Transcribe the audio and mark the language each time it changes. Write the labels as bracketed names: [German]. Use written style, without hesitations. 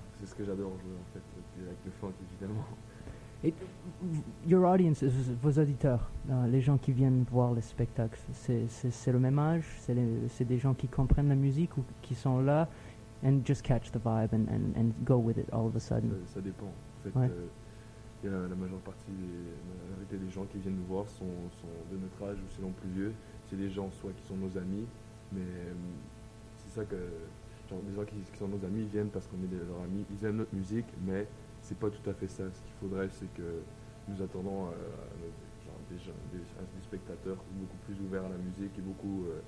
[French] C'est ce que j'adore jouer, en fait, avec le funk, évidemment. [English] Your audience, [French] vos auditeurs, les gens qui viennent voir les spectacles, c'est le même âge? C'est des gens qui comprennent la musique ou qui sont là? [English] And just catch the vibe and go with it all of a sudden. [French] Ça dépend. En fait, la majeure partie, la majorité des gens qui viennent nous voir sont de notre âge ou sinon plus vieux. C'est des gens soit qui sont nos amis, mais c'est ça que genre, des gens qui sont nos amis viennent parce qu'on est leurs amis. Ils aiment notre musique, mais c'est pas tout à fait ça. Ce qu'il faudrait, c'est que nous attendons des spectateurs beaucoup plus ouverts à la musique et beaucoup.